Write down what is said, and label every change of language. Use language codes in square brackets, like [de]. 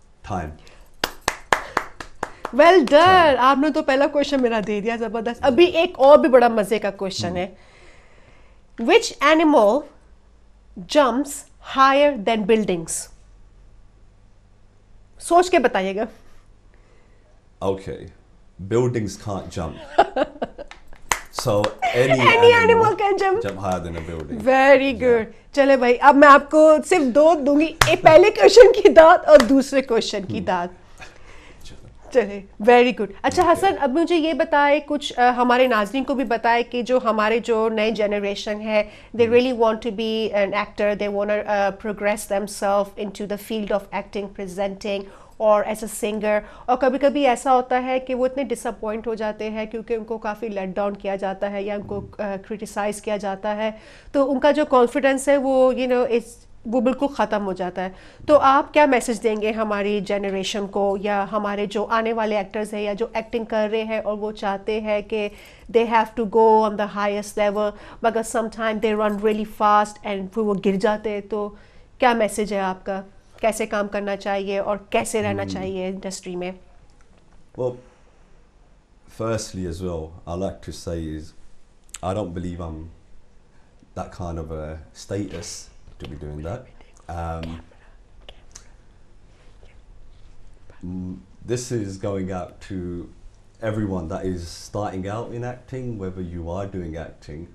[hi] Time. Well done, आपने तो पहला क्वेश्चन मेरा दे दिया जबरदस्त. अभी एक और भी बड़ा मजे का क्वेश्चन है. [en] Which animal jumps higher than buildings? [hi] सोच के बताइएगा. [en] Okay, buildings can't jump. So any animal can jump higher than a building. Very good. [hi] चले भाई, अब मैं आपको सिर्फ दो दूंगी, एक पहले क्वेश्चन की दाद और दूसरे क्वेश्चन की दाद. चले, वेरी गुड. अच्छा हसन, अब मुझे ये बताएं, कुछ हमारे नाज़रीन को भी बताएं कि जो हमारे जो नए जनरेशन है, [en] They really want to be an actor, they want to progress themselves into the field of acting, presenting और as a singer. [hi] और कभी कभी ऐसा होता है कि वो इतने डिसअपॉइंट हो जाते हैं क्योंकि उनको काफ़ी लेट डाउन किया जाता है या उनको क्रिटिसाइज किया जाता है, तो उनका जो कॉन्फिडेंस है वो [en] you know [hi] इस वो बिल्कुल ख़त्म हो जाता है. तो आप क्या मैसेज देंगे हमारी जनरेशन को या हमारे जो आने वाले एक्टर्स हैं या जो एक्टिंग कर रहे हैं और वो चाहते हैं कि [en] they have to go on the highest level, [hi] मगर [en] sometime they run really fast and [hi] फिर वो गिर जाते हैं. तो क्या मैसेज है आपका, कैसे काम करना चाहिए और कैसे रहना चाहिए इंडस्ट्री में? [en] Well, firstly as well, I like to say is I don't believe I'm that kind of a status to be doing that. This is going out to everyone that is starting out in acting, whether you are doing acting.